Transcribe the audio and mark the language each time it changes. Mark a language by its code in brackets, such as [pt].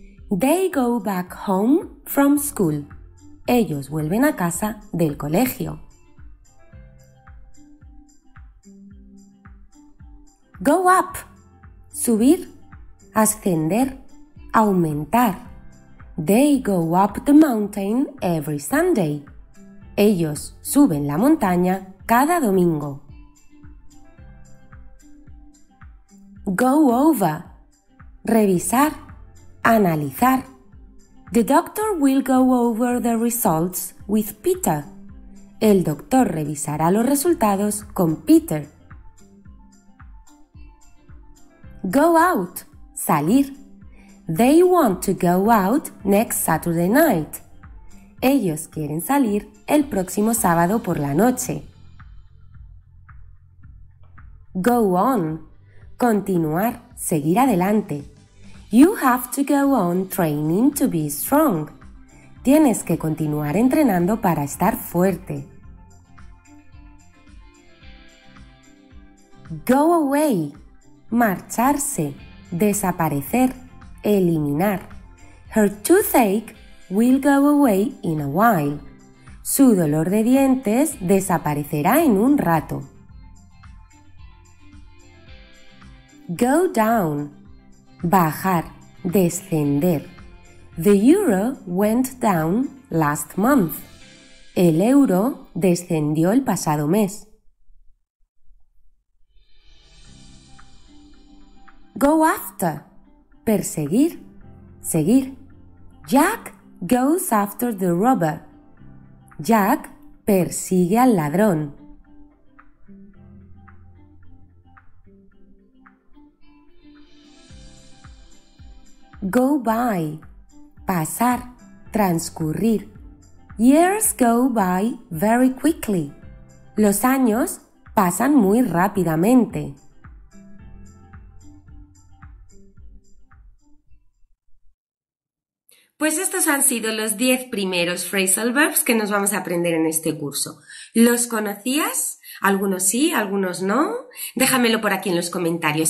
[en] They go back home from school. [es] Ellos vuelven a casa del colegio. Go up, subir, ascender, aumentar. [en] They go up the mountain every Sunday. [es] Ellos suben la montaña cada domingo. Go over, revisar, analizar. [en] The doctor will go over the results with Peter. [es] El doctor revisará los resultados con Peter. [en] Go out, salir. They want to go out next Saturday night. [es] Ellos quieren salir el próximo sábado por la noche. Go on, continuar, seguir adelante. [en] You have to go on training to be strong. [es] Tienes que continuar entrenando para estar fuerte. Go away. Marcharse, desaparecer, eliminar. [en] Her toothache will go away in a while. [es] Su dolor de dientes desaparecerá en un rato. Go down. Bajar, descender. [en] The euro went down last month. [es] El euro descendió el pasado mes. Go after, perseguir, seguir. [en] Jack goes after the robber. [es] Jack persigue al ladrón. Go by, pasar, transcurrir. [en] Years go by very quickly. [es] Los años pasan muy rápidamente. Pues estos han sido los 10 primeros phrasal verbs que nos vamos a aprender en este curso. ¿Los conocías? Algunos sí, algunos no. Déjamelo por aquí en los comentarios.